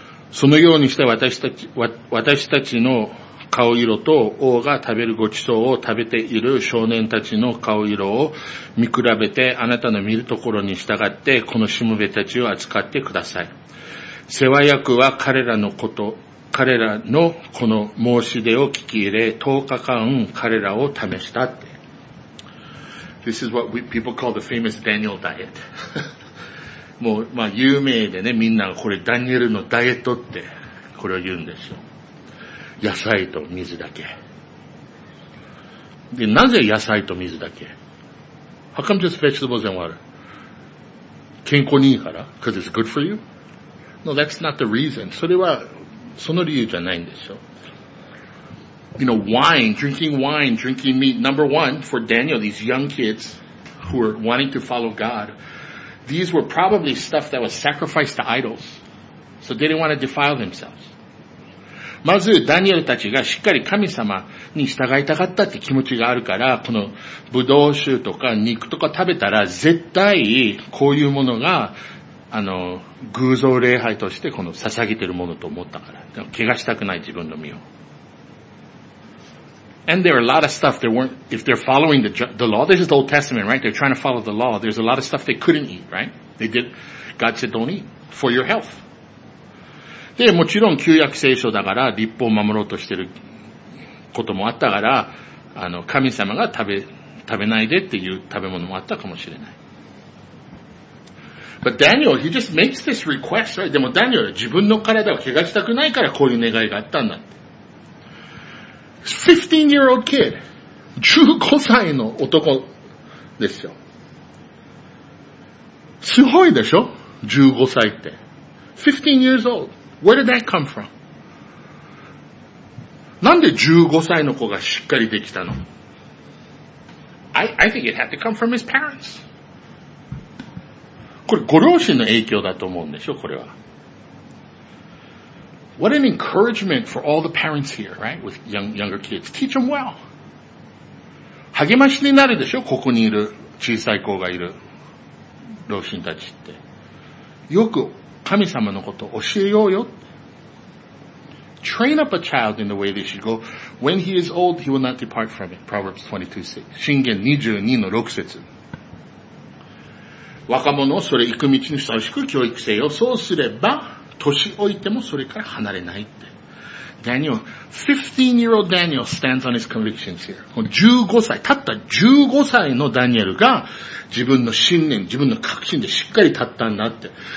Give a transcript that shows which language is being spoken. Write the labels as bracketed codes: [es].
[ja] そのようにして私たちの顔色と王が食べるごちそうを食べている少年たちの顔色を見比べて、あなたの見るところに従ってこのしもべたちを扱ってください。世話役は彼らのこの申し出を聞き入れ、10日間彼らを試したって。 [en] This is what people call the famous Daniel diet. [ja] もう、まあ、有名でね、みんながこれ、ダニエルのダイエットって、これを言うんですよ。野菜と水だけ。で、なぜ野菜と水だけ ? [en] How come this vegetables and water? [ja] 健康にいいから [en] ?Cause it's good for you? No, that's not the reason. [ja] それは、その理由じゃないんですよ。 [en] You know, wine, drinking meat. Number one, for Daniel, these young kids who were wanting to follow God, these were probably stuff that was sacrificed to idols. So they didn't want to defile themselves. [ja] まず、ダニエルたちがしっかり神様に従いたかったって気持ちがあるから、このブドウ酒とか肉とか食べたら、絶対こういうものが、偶像礼拝としてこの捧げてるものと思ったから。怪我したくない自分の身を。 [en] And there are a lot of stuff they weren't, if they're following the law, this is the Old Testament, right? They're trying to follow the law. There's a lot of stuff they couldn't eat, right? They did, God said don't eat, for your health. [ja] で、もちろん旧約聖書だから、律法を守ろうとしてることもあったから、神様が食べないでっていう食べ物もあったかもしれない。 [en] But Daniel, he just makes this request, right? [ja] でもダニエル、自分の体を怪我したくないからこういう願いがあったんだ。 [en] 15-year-old kid. [ja] 15歳の男ですよ。すごいでしょ ?15 歳って。 [en] 15 years old. Where did that come from? [ja] なんで15歳の子がしっかりできたの? [en] I think it had to come from his parents. [ja] これご両親の影響だと思うんでしょ? これは。 [en] What an encouragement for all the parents here, right? With younger kids. Teach them well. [ja] 励ましになるでしょ? ここにいる小さい子がいる老人たちって。よく神様のこと教えようよ。 [en] Train up a child in the way they should go. When he is old, he will not depart from it. [ja] Proverbs 22:6. 箴言 22-6 節。若者をそれ行く道にふさわしく教育せよ。そうすれば、年老いてもそれから離れないって。 [en] Daniel, 15-year-old Daniel stands on his convictions here. [ja] 15歳、たった15歳のダニエルが自分の信念、自分の確信でしっかり立ったんだって。